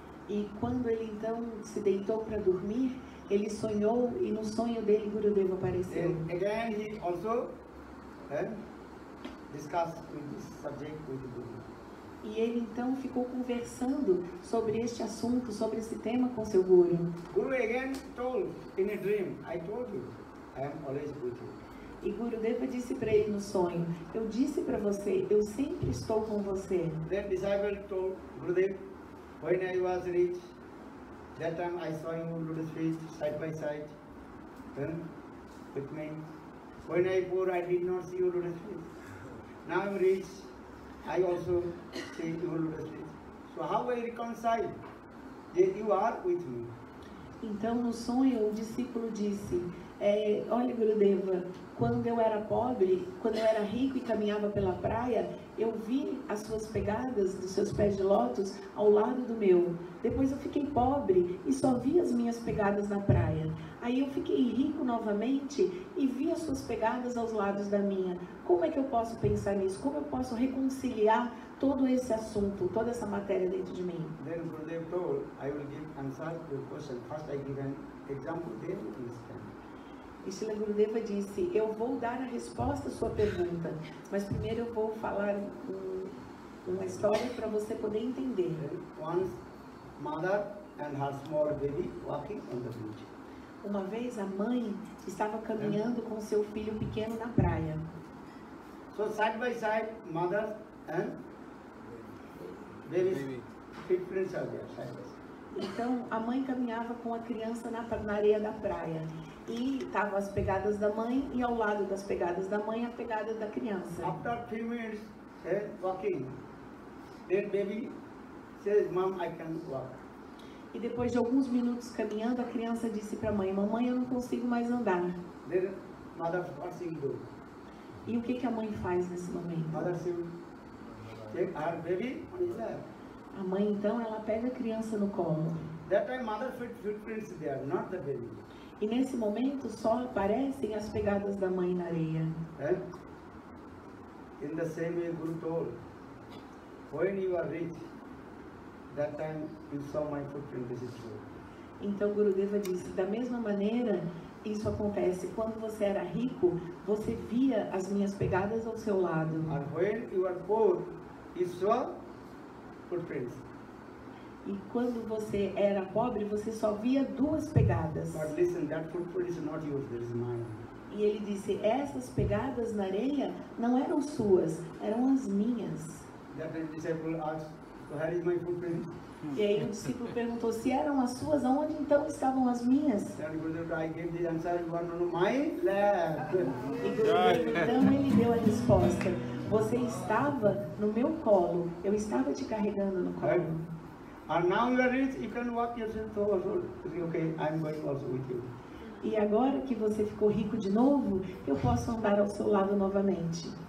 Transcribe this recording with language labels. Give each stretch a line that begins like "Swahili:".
Portuguese: e quando ele então se deitou para dormir, ele sonhou e no sonho dele Gurudev apareceu.
English: Then again he also discussed with this subject with Guru.
Portuguese: E ele então ficou conversando sobre este assunto, sobre esse tema com seu guru.
English: Guru again told in a dream, I told you, I am always with you.
Portuguese: E Gurudev disse para ele no sonho: eu disse para você, eu sempre estou com você.
English: Then disciple told Gurudev, when I was rich, that time I saw you lotus feet side by side, with me. When I poor, I did not see you lotus feet. Now I'm rich, I also see you lotus feet. So how I reconcile that you are with me?
Portuguese: Então no sonho o discípulo disse: olha Gurudev, quando eu era pobre, quando eu era rico e caminhava pela praia, eu vi as suas pegadas dos seus pés de lótus ao lado do meu. Depois eu fiquei pobre e só vi as minhas pegadas na praia. Aí eu fiquei rico novamente e vi as suas pegadas aos lados da minha. Como é que eu posso pensar nisso? Como eu posso reconciliar todo esse assunto, toda essa matéria dentro de mim?
English: Then Gurudev told, I will give answer to your question. First I give an example, then you understand.
Portuguese: E Srila Gurudeva disse, eu vou dar a resposta à sua pergunta, mas primeiro eu vou falar uma história para você poder entender.
English: Once mother and her small baby walking on the beach.
Portuguese: Uma vez a mãe estava caminhando com seu filho pequeno na praia.
English: So side by side, mother and baby's feet prints are there, side by side.
Portuguese: Então a mãe caminhava com a criança na areia da praia. E estavam as pegadas da mãe e ao lado das pegadas da mãe a pegada da criança.
English: After three minutes walking, then baby says, mom, I can't walk.
Portuguese: E depois de alguns minutos caminhando, a criança disse para a mãe, mamãe, eu não consigo mais andar.
English: Then mother forcing do.
Portuguese: E o que que a mãe faz nesse momento?
English: Mother said, take our baby on his lap.
Portuguese: A mãe então ela pega a criança no colo.
English: That time mother footprints there, not the baby.
Portuguese: E nesse momento só aparecem as pegadas da mãe na areia.
English: And in the same way Guru told, when you are rich, that time you saw my footprint, this is true.
Portuguese: Então Gurudeva disse, da mesma maneira isso acontece. Quando você era rico, você via as minhas pegadas ao seu lado.
English: And when you are poor, you saw footprints.
Portuguese: E quando você era pobre, você só via duas pegadas.
English: But listen, that footprint is not yours, that is mine.
Portuguese: E ele disse, essas pegadas na areia não eram suas, eram as minhas.
English: That disciple asked, where is my footprint?
Portuguese: E aí o discípulo perguntou, se eram as suas, aonde então estavam as minhas?
English: I gave the answer, you want to know my left.
Portuguese: E então ele deu a resposta, você estava no meu colo, eu estava te carregando no colo.
English: Right. And now you are rich, you can walk yourself also. Okay, I'm going also with you.
Portuguese: E agora que você ficou rico de novo, eu posso andar ao seu lado novamente.